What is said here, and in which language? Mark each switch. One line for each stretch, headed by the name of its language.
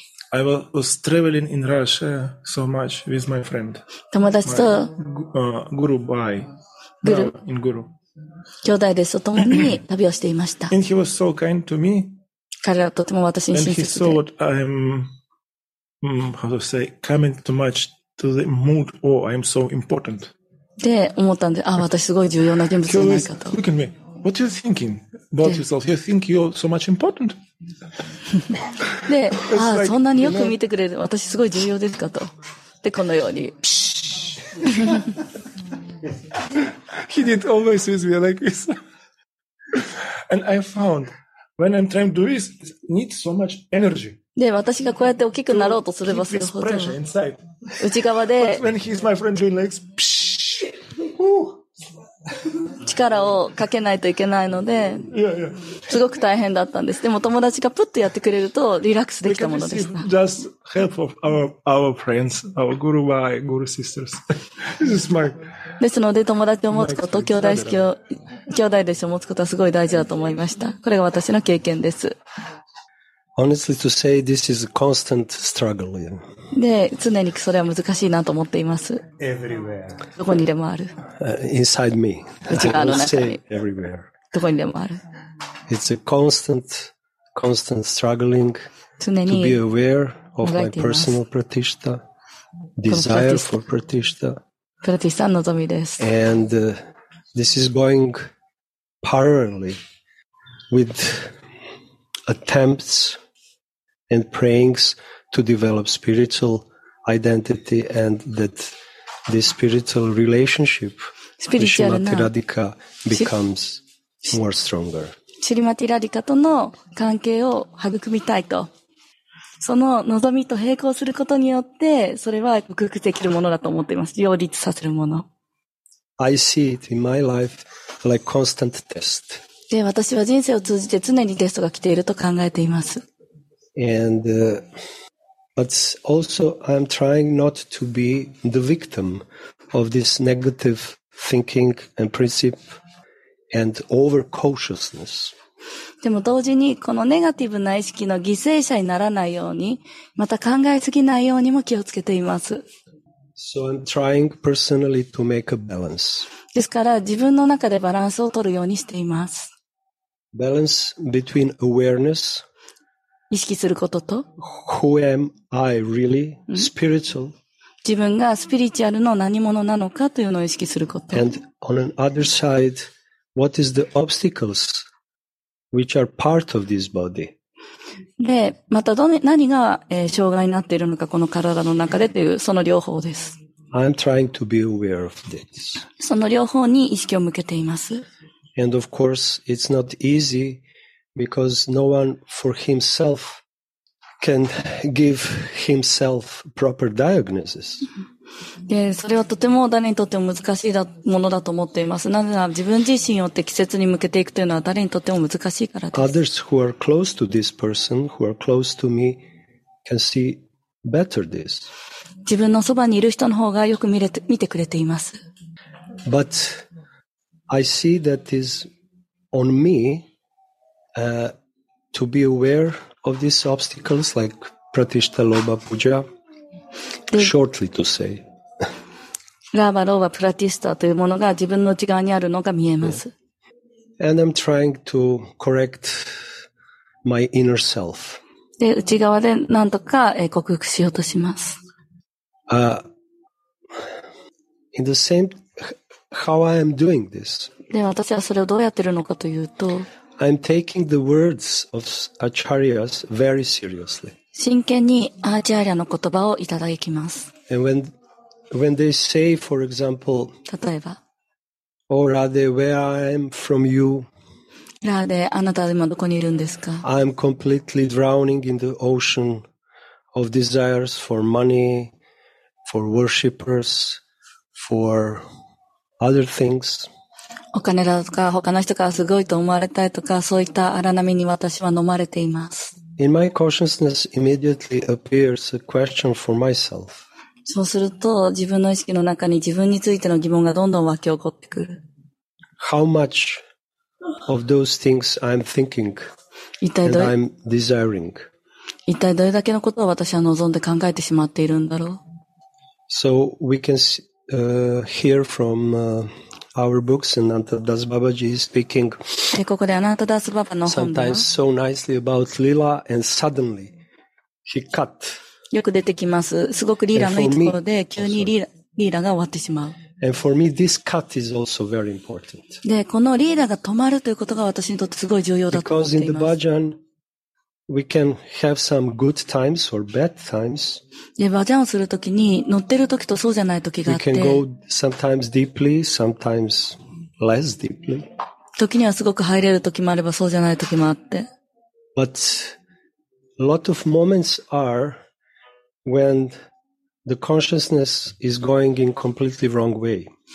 English: I was traveling in Russia so much with my friend.
Japanese: 友達と、
English: Guru Bai.
Japanese: グル、
English: in guru.
Japanese: 兄弟ですと共に旅をしていました。
English: And he was so kind to me.
Japanese: 彼はとても私に親切で。
English: And he saw what I'm, how to say, coming too much to the mood, or I'm so important.
Japanese: で、思ったんで、あ、私すごい重要な人物じゃないかと。
English: Look at me. What are you thinking about yourself? You think you're so much important?
Japanese: で、あ、そんなによく見てくれる。私すごい重要ですかと。で、このように。
English: ピシHe did always with me like this. And I found When I'm trying to do this, it needs so much energy.
Japanese: で、私がこうやって大きくなろうとすればするほど、内側で、
English: But when he's my friend doing legs, psh, whoo.
Japanese: 力をかけないといけないので、
English: yeah, yeah.
Japanese: すごく大変だったんです。でも友達がプッとやってくれるとリラックスできたものでした。
English: Just help of our friends, our guru wife, guru sisters. This is my.
Japanese: ですので友達を持つこと、兄弟式を兄弟弟子を持つことはすごい大事だと思いました。これが私の経験です。
English: Honestly to say, this is a constant struggle.
Japanese: で、常にそれは難しいなと思っています。
English: Everywhere.
Japanese: どこにでもある。
English: Inside me.
Japanese: 内側の中に。
English: Say everywhere.
Japanese: どこにでもある。
English: It's a constant struggling.
Japanese: 常に。
English: To be aware of my personal pratishtha, desire for pratishtha.
Japanese: Pratishtha の望みです。
English: And this is going parallelly with attempts and prayings to develop spiritual identity and that this spiritual relationship with Srimati Radhika becomes more stronger.
Japanese: Srimati Radhika との関係を育みたいと。その望みと並行することによって、それは克服できるものだと思っています。両立させるもの。
English: I see it in my life like constant test.
Japanese: で、私は人生を通じて常にテストが来ていると考えています。
English: And, but also I'm trying not to be the victim of this negative thinking and principle and over-cautiousness.
Japanese: でも同時にこのネガティブな意識の犠牲者にならないように、また考えすぎないようにも気をつけています。
English: So I'm trying personally to make a balance.
Japanese: ですから自分の中でバランスを取るようにしています。
English: Balance between awareness,
Japanese: 意識することと
English: who am I really, spiritual,
Japanese: 自分がスピリチュアルの何者なのかというのを意識すること
English: and on an other side, what is the obstacles which are part of this body?
Japanese: で、また何が、障害になっているのかこの体の中でというその両方です
English: I'm trying to be aware of this.
Japanese: その両方に意識を向けています
English: And of course, it's not easy because no one for himself can give himself proper diagnosis.
Japanese: それはとても誰にとっても難しいものだと思っています。なぜなら自分自身を適切に向けていくというのは誰にとっても難しいからです。
English: Others who are close to this person, who are close to me, can see better this.
Japanese: 自分のそばにいる人の方がよく見てくれています。
English: But,I see that is on me, to be aware of these obstacles like pratishtha, lobha, puja, shortly to say.
Japanese: Lobha, lobha, pratishtha というものが自分の内側にあるのが見えます。
English: And I'm trying to correct my inner self.
Japanese: で、内側で何とか克服しようとします。
English: In the same, how I am doing this,
Japanese: で、私はそれをどうやってるのかというと、
English: I'm taking the words of Acharyas very seriously.
Japanese: 真剣にアーチャリアの言葉をいただきます。
English: And when they say, for example,
Japanese: 例えば、
English: Oh, Radhe, where I am from you?
Japanese: Radhe, あなたは今どこにいるんですか?
English: I'm completely drowning in the ocean of desires for money, for worshippers, for other things.
Japanese: お金だとか他の人からすごいと思われたいとかそういった荒波に私は飲まれています。
English: In my consciousness immediately appears a question for myself.
Japanese: そうすると自分の意識の中に自分についての疑問がどんどん湧き起こってくる。
English: How much of those things I'm thinking and I'm desiring?
Japanese: 一体どれだけのことを私は望んで考えてしまっているんだろう
English: ?So we can see, hear from, Our books and Anantadas Babaji is speaking sometimes so nicely about Lila and suddenly he cut.
Japanese: よく出てきます。すごくリーラのいいところで急にリーラが終わってしまう。
English: And for me, this cut is also very important.
Japanese: で、このリーラが止まるということが私にとってすごい重要だと思っています。
English: Because in the Bhajan, we can have some good times or bad times.
Japanese: で、バジャンをするときに、乗ってるときとそうじゃないときがあって。
English: We can go sometimes deeply, sometimes less deeply.
Japanese: 時にはすごく入れるときもあれば、そうじゃないときもあって。
English: But a lot of moments are when the consciousness is going in completely wrong way.